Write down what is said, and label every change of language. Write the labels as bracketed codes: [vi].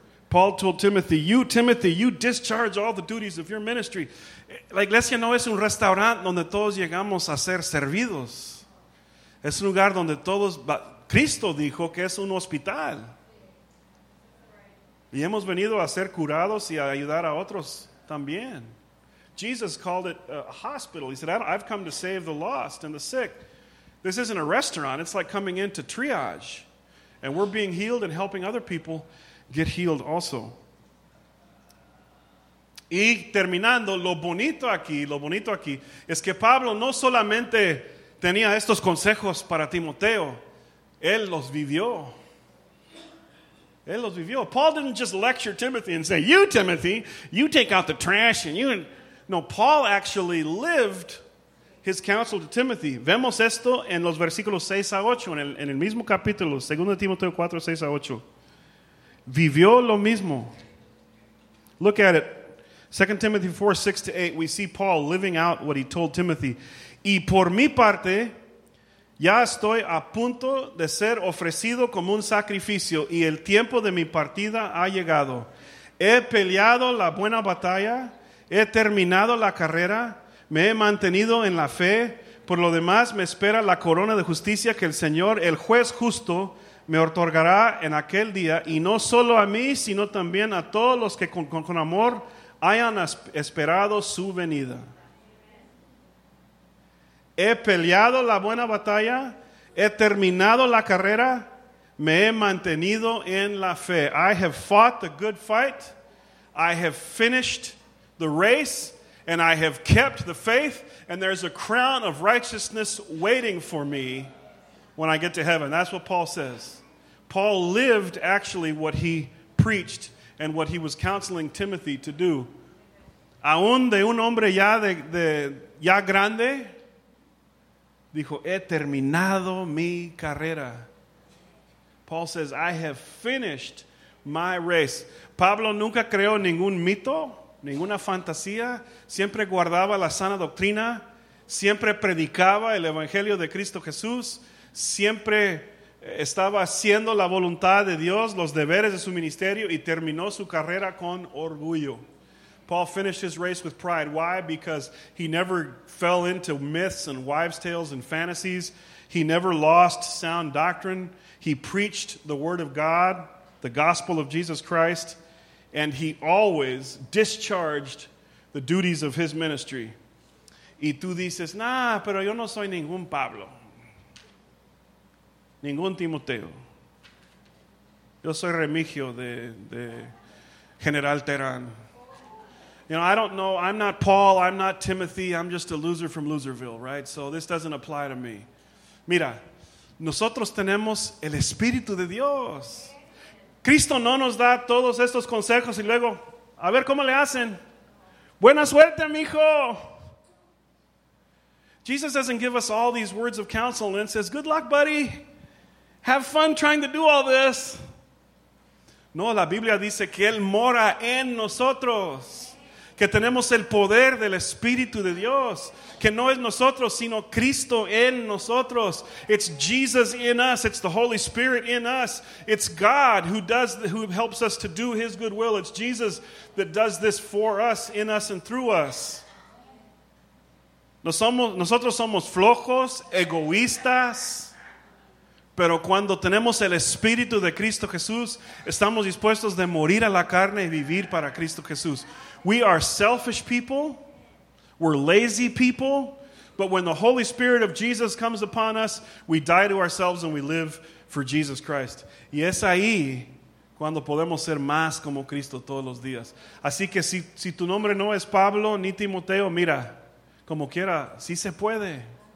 [en] Paul told Timothy, you discharge all the duties of your ministry. [es] La iglesia no es un restaurante donde todos llegamos a ser servidos. Es un lugar donde todos... Cristo dijo que es un hospital. Y hemos venido a ser curados y a ayudar a otros también. [en] Jesus called it a hospital. He said, I've come to save the lost and the sick. This isn't a restaurant. It's like coming into triage. And we're being healed and helping other people get healed also. [es] Y terminando, lo bonito aquí, es que Pablo no solamente tenía estos consejos para Timoteo, él los vivió. Él los vivió. [en] Paul didn't just lecture Timothy and say, you, Timothy, you take out the trash and you... No, Paul actually lived his counsel to Timothy. [es] Vemos esto en los versículos 6 a 8, en el mismo capítulo, 2 Timoteo 4, 6 a 8. Vivió lo mismo. [en] Look at it. 2 Timothy 4, 6 to 8, we see Paul living out what he told Timothy. [es] Y por mi parte, ya estoy a punto de ser ofrecido como un sacrificio y el tiempo de mi partida ha llegado. He peleado la buena batalla, he terminado la carrera, me he mantenido en la fe. Por lo demás, me espera la corona de justicia que el Señor, el juez justo, me otorgará en aquel día. Y no solo a mí, sino también a todos los que con amor hayan esperado su venida. He peleado la buena batalla, he terminado la carrera, me he mantenido en la fe. [en] I have fought the good fight, I have finished the race, and I have kept the faith, and there's a crown of righteousness waiting for me when I get to heaven. That's what Paul says. Paul lived actually what he preached and what he was counseling Timothy to do. [es] Aún de un hombre ya grande... Dijo, he terminado mi carrera. [en] Paul says, I have finished my race. [es] Pablo nunca creó ningún mito, ninguna fantasía. Siempre guardaba la sana doctrina. Siempre predicaba el Evangelio de Cristo Jesús. Siempre estaba haciendo la voluntad de Dios, los deberes de su ministerio, y terminó su carrera con orgullo. [en] Paul finished his race with pride. Why? Because he never fell into myths and wives' tales and fantasies. He never lost sound doctrine. He preached the word of God, the gospel of Jesus Christ, and he always discharged the duties of his ministry. [es] Y tú dices, nah, pero yo no soy ningún Pablo. Ningún Timoteo. Yo soy Remigio de General Terán. [en] You know, I don't know, I'm not Paul, I'm not Timothy, I'm just a loser from Loserville, right? So this doesn't apply to me. [es] Mira, nosotros tenemos el Espíritu de Dios. Cristo no nos da todos estos consejos y luego, a ver cómo le hacen. Buena suerte, mijo. [en] Jesus doesn't give us all these words of counsel and says, good luck, buddy. Have fun trying to do all this. [es] No, la Biblia dice que Él mora en nosotros. Que tenemos el poder del Espíritu de Dios. Que no es nosotros, sino Cristo en nosotros. [en] It's Jesus in us. It's the Holy Spirit in us. It's God who helps us to do His good will. It's Jesus that does this for us, in us, and through us. [es] Nosotros somos flojos, egoístas. Pero cuando tenemos el Espíritu de Cristo Jesús, estamos dispuestos de morir a la carne y vivir para Cristo Jesús. [en] We are selfish people, we're lazy people, but when the Holy Spirit of Jesus comes upon us, we die to ourselves and we live for Jesus Christ. [es] Y es ahí cuando podemos ser más como Cristo todos los días. Así que si tu nombre no es Pablo ni Timoteo, mira, como quiera, sí se puede.